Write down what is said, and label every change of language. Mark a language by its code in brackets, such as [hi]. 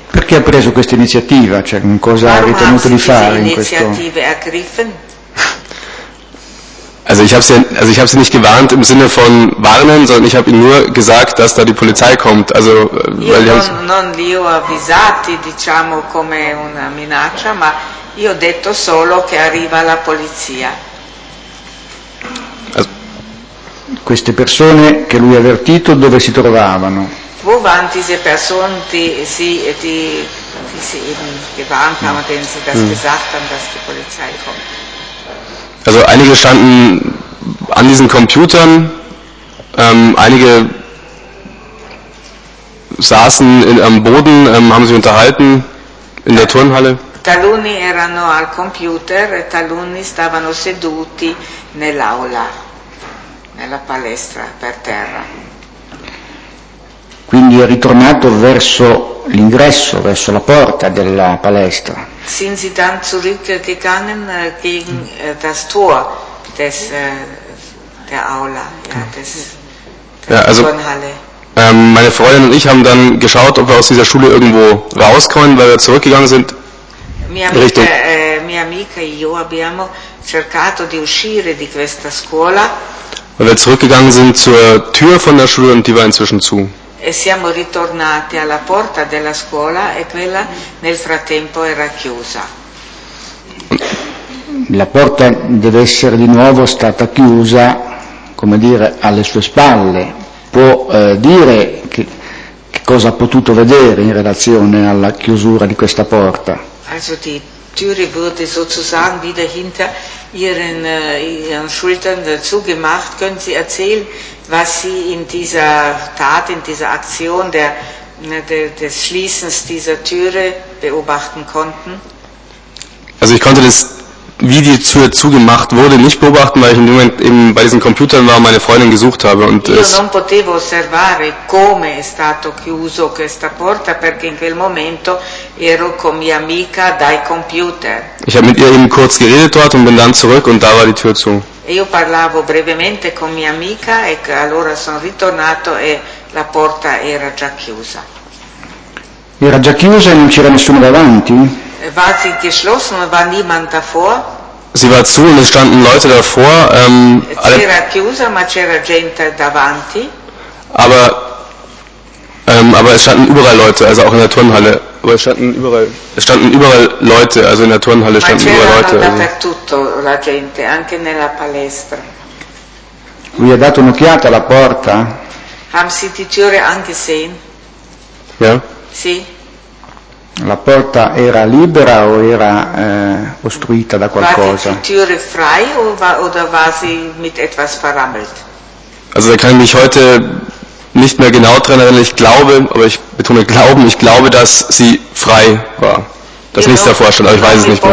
[it] Perché ha preso questa iniziativa? Cioè, cosa [de] Warum [it] ha ritenuto di fare? [de] Warum haben sie diese Initiative ergriffen? Also ich habe sie nicht gewarnt im Sinne von warnen, sondern ich habe ihnen nur gesagt, dass da die Polizei kommt. Also weil [it] io non li ho avvisati, diciamo, come una minaccia, ma io ho detto solo che arriva la polizia. Also, queste persone che lui ha avvertito dove si trovavano? [de] Wo waren diese Personen, die sie eben gewarnt haben, denen sie das gesagt haben, dass die Polizei kommt? Also einige standen an diesen Computern, einige saßen am Boden, haben sich unterhalten in der Turnhalle. [it] Taluni erano al computer e taluni stavano seduti nell'aula, nella palestra per terra. Quindi è ritornato verso l'ingresso, verso la porta della palestra. [de] Sind sie dann zurückgegangen gegen das Tor des der Aula, ja, des der ja, also, Turnhalle. Meine Freundin und ich haben dann geschaut, ob wir aus dieser Schule irgendwo rauskommen, weil wir zurückgegangen sind. [it] Mia amica e io abbiamo cercato di uscire di questa scuola. [de] Weil wir zurückgegangen sind zur Tür von der Schule und die war inzwischen zu. [it] E siamo ritornati alla porta della scuola e quella nel frattempo era chiusa. La porta deve essere di nuovo stata chiusa, come dire, alle sue spalle. Può dire che cosa ha potuto vedere in relazione alla chiusura di questa porta? [de] Also die Türe wurde sozusagen wieder hinter ihren Schultern zugemacht. Können Sie erzählen, was Sie in dieser Tat, in dieser Aktion des Schließens dieser Türe beobachten konnten? Also ich konnte das, wie die Tür zugemacht wurde, nicht beobachten, weil ich in dem Moment eben bei diesen Computern war und meine Freundin gesucht habe. Und [it] io non potevo osservare come è stato chiuso questa porta, perché in quel momento ero con mia amica dai computer. [de] Ich habe mit ihr eben kurz geredet dort und bin dann zurück und da war die Tür zu. [it] Io parlavo brevemente con mia amica e allora sono ritornato e la porta era già chiusa. Era già chiusa e non c'era nessuno davanti? [de] War sie geschlossen und war niemand davor? Sie war zu und es standen Leute davor. [it] C'era chiusa, ma c'era gente davanti. [de] Aber es standen überall Leute, also auch in der Turnhalle. Aber es standen überall Leute, also in der Turnhalle standen überall Leute. [it] Ma c'era dappertutto la gente, anche nella palestra. Vi ha dato un'occhiata alla porta? [de] Haben Sie die Türe angesehen? Ja. [it] Sì. La porta era libera o era ostruita da qualcosa? [de] War die Türe frei oder war sie mit etwas verrammelt? Also da kann ich mich heute nicht mehr genau dran erinnern. Ich glaube, aber ich betone glauben, ich glaube, dass sie frei war. Das nächste davor stand, aber ich weiß es nicht mehr.